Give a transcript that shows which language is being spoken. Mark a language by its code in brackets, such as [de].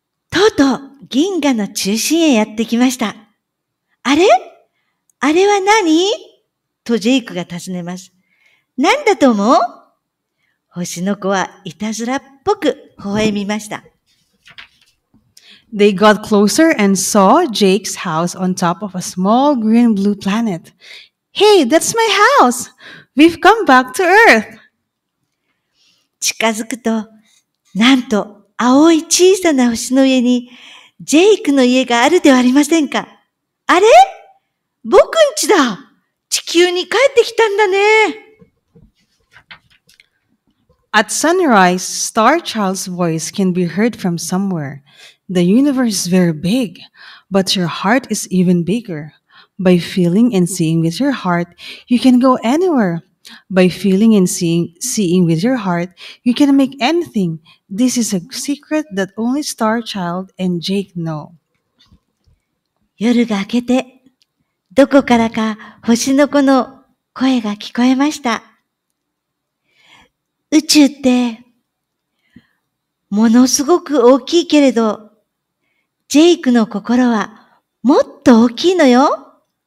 [ja] とうとう銀河の中心へやってきました。あれ?あれは何? とジェイクが尋ねます。何だと思う?星の子はいたずらっぽく微笑みました。 [en] They got closer and saw Jake's house on top of a small green blue planet. Hey, that's my house! We've come back to Earth! [ja] 近づくと、なんと青い小さな星の家に、ジェイクの家があるではありませんか。あれ?僕ん家だ。地球に帰ってきたんだね。 [en] At sunrise, Starchild's voice can be heard from somewhere. The universe is very big, but your heart is even bigger. By feeling and seeing with your heart, you can go anywhere. By feeling and seeing with your heart, you can make anything. This is a secret that only Starchild and Jake know. [ja] 夜が明けて、どこからか星の子の声が聞こえました。宇宙って、ものすごく大きいけれど、ジェイクの心はもっと大きいのよ。